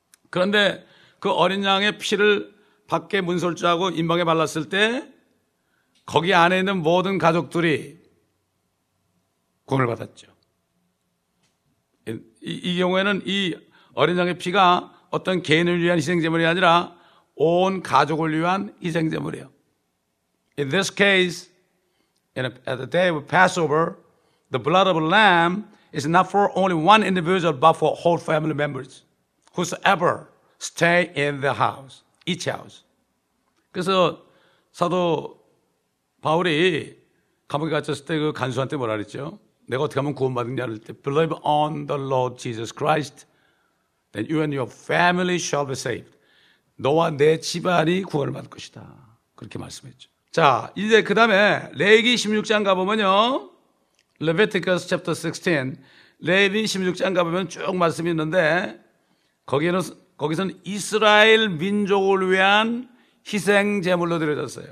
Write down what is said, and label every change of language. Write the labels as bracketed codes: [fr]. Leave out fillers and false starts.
[ko] 그런데 그 어린 양의 피를 밖에 문설주하고 임방에 발랐을 때 거기 안에 있는 모든 가족들이 구원을 받았죠. 이 경우에는 이 어린 양의 피가 어떤 개인을 위한 희생제물이 아니라 온 가족을 위한 희생제물이에요. [en] In this case, at the day of Passover, the blood of a lamb is not for only one individual, but for whole family members, whosoever stay in the house, each house. [ko] 그래서 사도 바울이 감옥에 갇혔을 때 그 간수한테 뭐라 그랬죠? 내가 어떻게 하면 구원받느냐 할 때 [en] Believe on the Lord Jesus Christ. Then you and your family shall be saved. [ko] 너와 내 집안이 구원을 받을 것이다. 그렇게 말씀했죠. 자, 이제 그 다음에 레위기 16장 가보면요. [en] Leviticus chapter 16. [ko] 레위기 16장 가보면 쭉 말씀이 있는데 거기서는 이스라엘 민족을 위한 희생 제물로 드려졌어요.